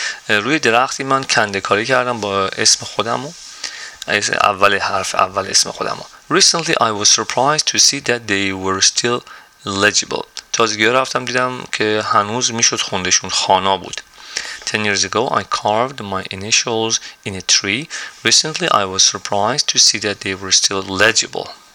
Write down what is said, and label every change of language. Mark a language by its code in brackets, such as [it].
[fa] روی درختی من کندکاری کردم با اسم خودمو. اول حرف اول اسم خودمو. [en] Recently I was surprised to see that they were still legible. [fa] تازگی رفتم دیدم که هنوز میشد خوندشون, خانا بود. [en] 10 years ago I carved my initials in a tree. Recently I was surprised to see that they were still legible.